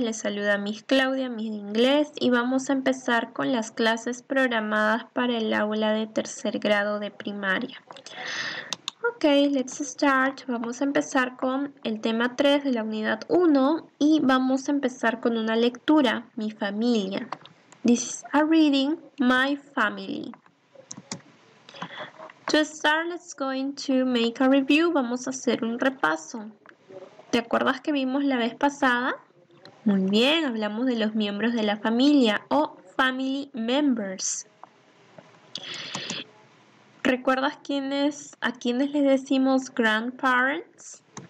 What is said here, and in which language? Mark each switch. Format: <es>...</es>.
<es>Les saluda Miss Claudia, Miss de Inglés, y vamos a empezar con las clases programadas para el aula de tercer grado de primaria.</es> <en>Ok, let's start.</en> <es>Vamos a empezar con el tema 3 de la unidad 1 y vamos a empezar con una lectura, mi familia.</es> <en>This is a reading, my family. To start, let's going to make a review.</en> <es>Vamos a hacer un repaso. ¿Te acuerdas que vimos la vez pasada? Muy bien, hablamos de los miembros de la familia o family members. ¿Recuerdas a quiénes les decimos grandparents?</es>